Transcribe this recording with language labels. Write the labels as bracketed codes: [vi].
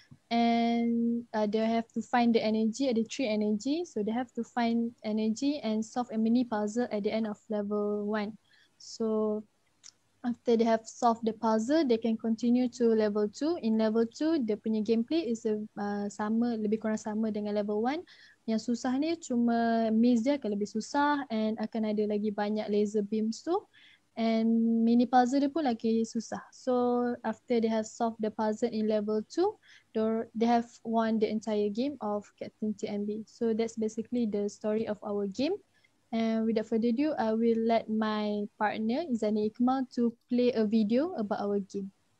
[en] And they have to find the energy, ada 3 energy. So they have to find energy and solve a mini puzzle at the end of level 1. So after they have solved the puzzle, they can continue to level 2. [ms] In level 2, dia punya gameplay is sama, lebih kurang sama dengan level 1. Yang susah ni cuma maze dia akan lebih susah and akan ada lagi banyak laser beams tu. And mini puzzle dia pun lagi susah. [en] So after they have solved the puzzle in level 2, they have won the entire game of Captain TNB. So that's basically the story of our game. And without further ado, I will let my partner Izani Iqmal to play a video about our game.